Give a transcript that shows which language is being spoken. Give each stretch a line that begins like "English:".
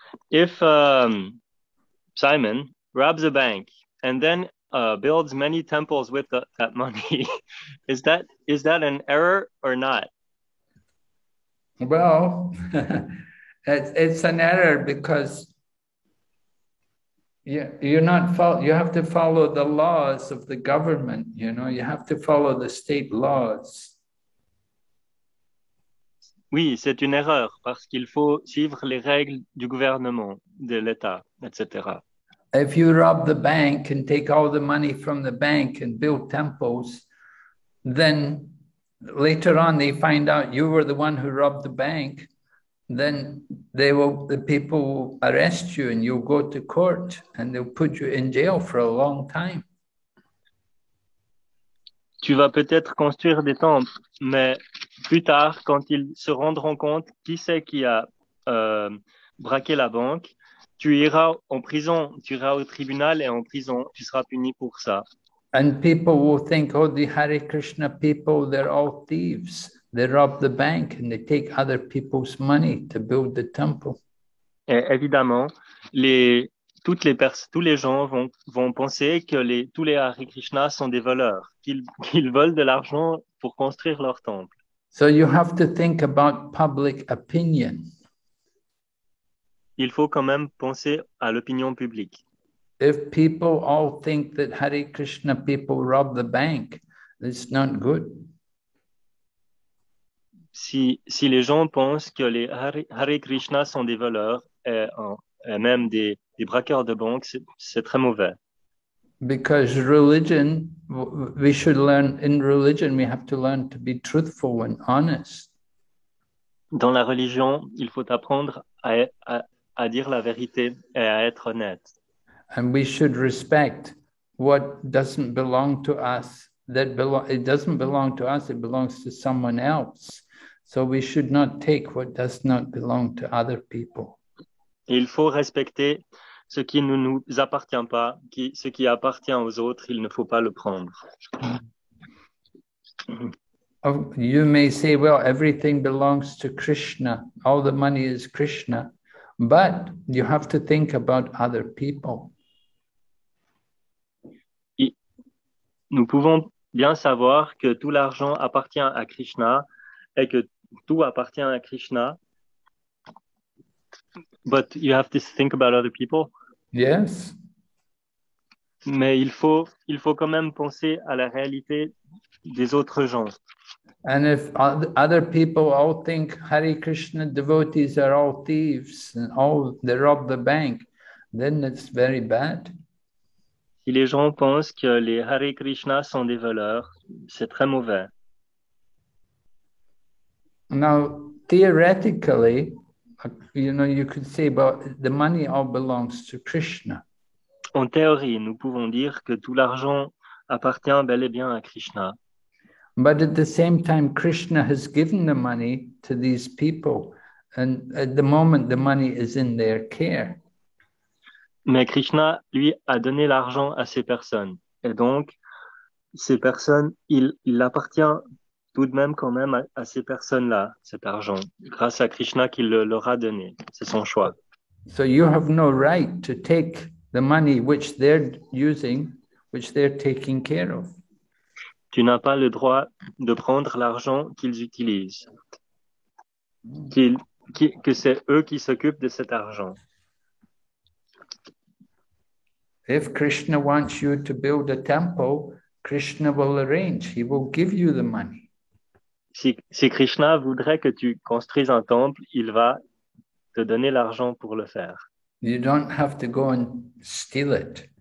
English: If Simon robs a bank and then builds many temples with that money, is that an error or not? Well, it's an error because you have to follow the laws of the government, you know, you have to follow the state laws.
French: Oui, c'est une erreur parce qu'il faut suivre les règles du gouvernement, de l'État, etc.
English: If you rob the bank and take all the money from the bank and build temples, then later on they find out you were the one who robbed the bank, then the people will arrest you and you'll go to court and they'll put you in jail for a long time.
French: Tu vas peut-être construire des temples, mais plus tard, quand ils se rendront compte qui c'est qui a braqué la banque, tu iras en prison, tu iras au tribunal et en prison, tu seras puni pour ça.
English: And people will think, oh, the Hare Krishna people, they're all thieves. They rob the bank and they take other people's money to build the temple.
French: Et évidemment, tous les gens vont penser que tous les Hare Krishna sont des voleurs, qu'ils volent de l'argent pour construire leur temple.
English: So you have to think about public opinion.
French: Il faut quand même penser à l'opinion publique.
English: If people all think that Hare Krishna people rob the bank, it's not good.
French: Si les gens pensent que les Hare Krishna sont des voleurs et même des braqueurs de banque, c'est très mauvais.
English: Because religion, we should learn, in religion, we have to learn to be truthful and honest.
French: Dans la religion, il faut apprendre à dire la vérité et à être honnête.
English: And we should respect what doesn't belong to us. It doesn't belong to us, it belongs to someone else. So we should not take what does not belong to other people.
French: Il faut respecter ce qui ne nous appartient pas, ce qui appartient aux autres, il ne faut pas le prendre.
English: You may say, well, everything belongs to Krishna. All the money is Krishna. But you have to think about other people.
French: Nous pouvons bien savoir que tout l'argent appartient à Krishna et que tout appartient à Krishna.
English: But you have to think about other people. Yes.
French: Mais il faut quand même penser à la réalité des autres gens.
English: And if other people all think Hare Krishna devotees are all thieves and all they rob the bank, then it's very bad.
French: Si les gens pensent que les Hare Krishna sont des voleurs, c'est très mauvais.
English: Now, theoretically, you know, you could say, but the money all belongs to Krishna.
French: En théorie, nous pouvons dire que tout l'argent appartient bel et bien à Krishna.
English: But at the same time, Krishna has given the money to these people, and at the moment, the money is in their care.
French: Mais Krishna, lui, a donné l'argent à ces personnes, et donc ces personnes, il appartient. Tout de même, quand même, à ces personnes-là, cet argent, grâce à Krishna qui le leur a donné. C'est son choix.
English: So you have no right to take the money which they're using, which they're taking care of.
French: Tu n'as pas le droit de prendre l'argent qu'ils utilisent, que c'est eux qui s'occupent de cet argent.
English: If Krishna wants you to build a temple, Krishna will arrange. He will give you the money.
French: Si Krishna voudrait que tu construises un temple, il va te donner l'argent pour le faire.
English: You don't have to go and steal it.